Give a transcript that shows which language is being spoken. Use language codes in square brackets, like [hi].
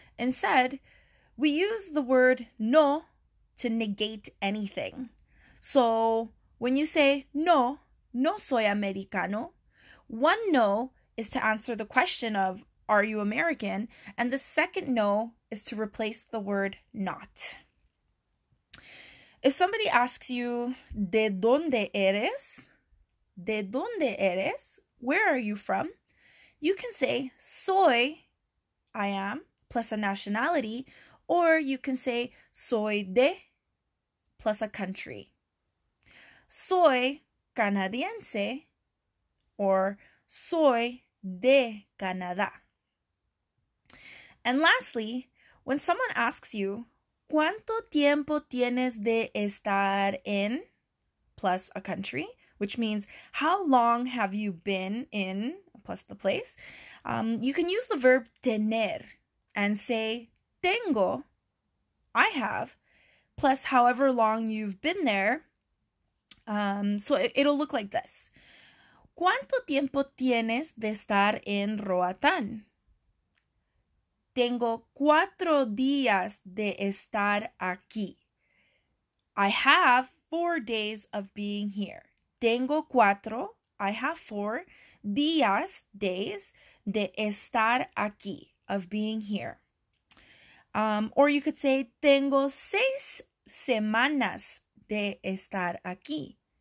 [en] Instead, we use the word no to negate anything. So when you say [es] no, no soy americano, [en] one no is to answer the question of, are you American? And the second no is to replace the word not. If somebody asks you, [es] ¿de dónde eres? ¿De dónde eres? [en] Where are you from? You can say, soy, I am, plus a nationality, or you can say, soy de, plus a country. [es] Soy canadiense, or soy de Canadá. [en] And lastly, when someone asks you, [es] ¿cuánto tiempo tienes de estar en? [en] Plus a country, which means how long have you been in, plus the place. You can use the verb tener and say tengo, I have, plus however long you've been there. So it'll look like this. [es] ¿Cuánto tiempo tienes de estar en Roatán? Tengo 4 días de estar aquí. [en] I have 4 days of being here. [es] Tengo 4, [en] I have 4 días, days, [es] de estar aquí, [en] of being here. Or you could say, [es] tengo 6 semanas de estar aquí.